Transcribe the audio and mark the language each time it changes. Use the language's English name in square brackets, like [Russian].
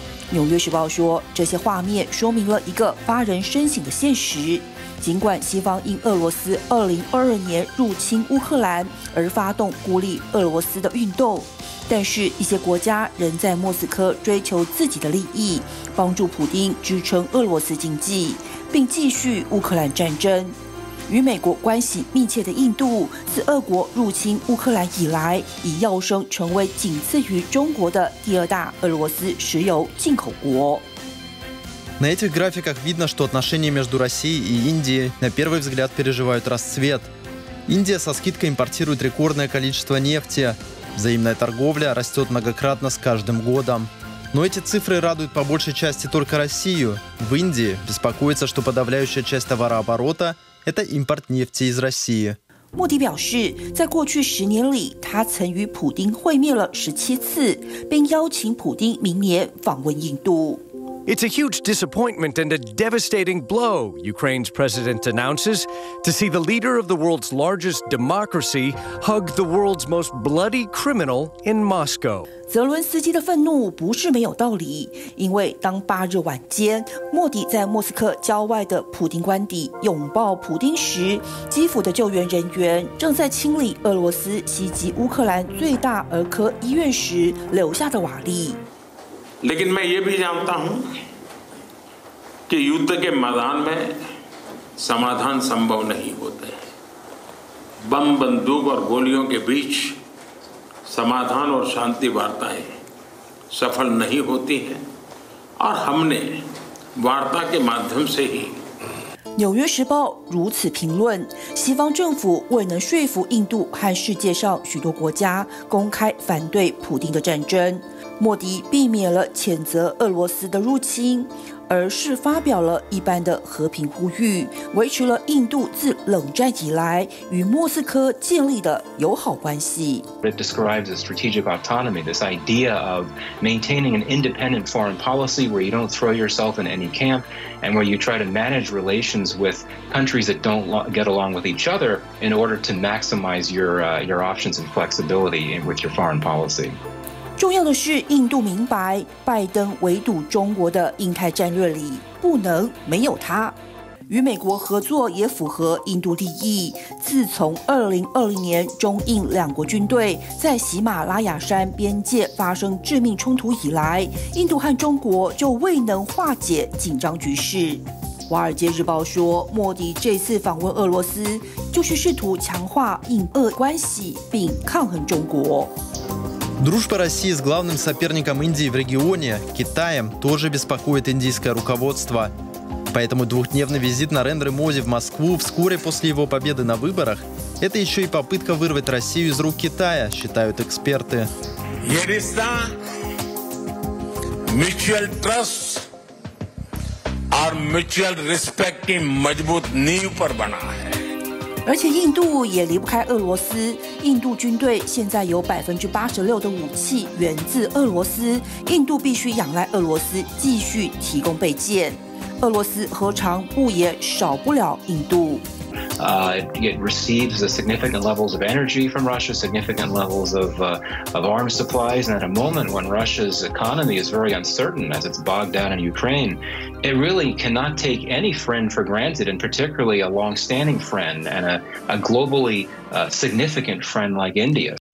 [Chinese] 纽约时报说，这些画面说明了一个发人深省的现实，尽管西方因俄罗斯2022年入侵乌克兰而发动孤立俄罗斯的运动，但是一些国家仍在莫斯科追求自己的利益，帮助普丁支撑俄罗斯经济并继续乌克兰战争。与美国关系密切的印度，自俄国入侵乌克兰以来，已跃升成为仅次于中国的第二大俄罗斯石油进口国。 [Russian] На этих графиках видно, что отношения между Россией и Индией на первый взгляд переживают расцвет. Индия со скидкой импортирует рекордное количество нефти. Взаимная торговля растет многократно с каждым годом. Но эти цифры радуют по большей части только Россию. В Индии беспокоится, что подавляющая часть товарооборота – это импорт нефти из России. [Chinese] 莫迪表示，在过去10年里，他曾与普丁会面了17次，并邀请普丁明年访问印度。 [English] It's a huge disappointment and a devastating blow, Ukraine's president announces, to see the leader of the world's largest democracy hug the world's most bloody criminal in Moscow. [Chinese] 泽伦斯基的愤怒不是没有道理，因为当八日晚间，莫迪在莫斯科郊外的普丁官邸拥抱普丁时，基辅的救援人员正在清理俄罗斯袭击乌克兰最大儿科医院时留下的瓦砾。 [Hindi] लेकिन मैं ये भी जानता हूं कि युद्ध के मैदान में समाधान संभव नहीं होते हैं। बम बंदूक और गोलियों के बीच समाधान और शांति वार्ताएं सफल नहीं होती हैं और हमने वार्ता के माध्यम से ही [Chinese] 纽约时报如此评论，西方政府未能说服印度和世界上许多国家公开反对普丁的战争。莫迪避免了谴责俄罗斯的入侵，而是发表了一般的和平呼吁，维持了印度自冷战以来与莫斯科建立的友好关系。 [English] It describes a strategic autonomy, this idea of maintaining an independent foreign policy where you don't throw yourself in any camp and where you try to manage relations with countries that don't get along with each other in order to maximize your options and flexibility with your foreign policy. [Chinese] 重要的是，印度明白拜登围堵中国的印太战略里不能没有他，与美国合作也符合印度利益。自从2020年中印两国军队在喜马拉雅山边界发生致命冲突以来，印度和中国就未能化解紧张局势。华尔街日报说，莫迪这次访问俄罗斯就是试图强化印俄关系并抗衡中国。 [Russian] Дружба России с главным соперником Индии в регионе, Китаем, тоже беспокоит индийское руководство. Поэтому двухдневный визит Нарендры Моди в Москву вскоре после его победы на выборах – это еще и попытка вырвать Россию из рук Китая, считают эксперты. [English] Mutual trust or mutual respect [Hindi] की मजबूत नींव पर बना है。 [Chinese] 而且印度也离不开俄罗斯，印度军队现在有86%的武器源自俄罗斯，印度必须仰赖俄罗斯继续提供备件，俄罗斯何尝不也少不了印度。 [English] It receives the significant levels of energy from Russia, significant levels of arms supplies, and at a moment when Russia's economy is very uncertain as it's bogged down in Ukraine, it really cannot take any friend for granted, and particularly a long-standing friend and a globally significant friend like India.